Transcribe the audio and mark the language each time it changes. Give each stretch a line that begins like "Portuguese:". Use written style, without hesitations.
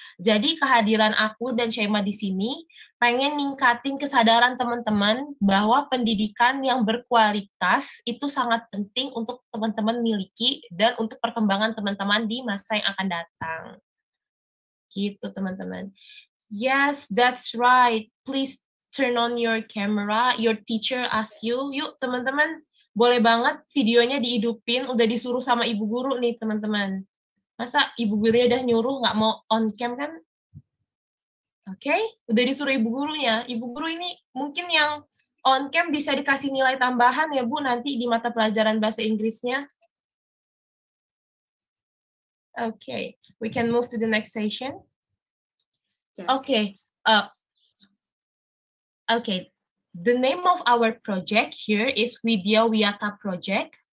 Indonesian: Jadi kehadiran aku dan Shema di sini pengen ningkatin kesadaran teman-teman bahwa pendidikan yang berkualitas itu sangat penting untuk teman-teman miliki dan untuk perkembangan teman-teman di masa yang akan datang. Gitu teman-teman.
English: Yes, that's right. Please turn on your camera, your teacher ask you.
Indonesian: Yuk teman-teman, boleh banget videonya dihidupin, udah disuruh sama ibu guru nih teman-teman. Masa ibu gurunya udah nyuruh nggak mau on cam kan? Okay, udah disuruh ibu gurunya. Ibu guru ini mungkin yang on cam bisa dikasih nilai tambahan ya Bu nanti di mata pelajaran bahasa Inggrisnya.
English: Okay, we can move to the next session. Yes. Okay, the name of our project here is Widya Wiyata Project.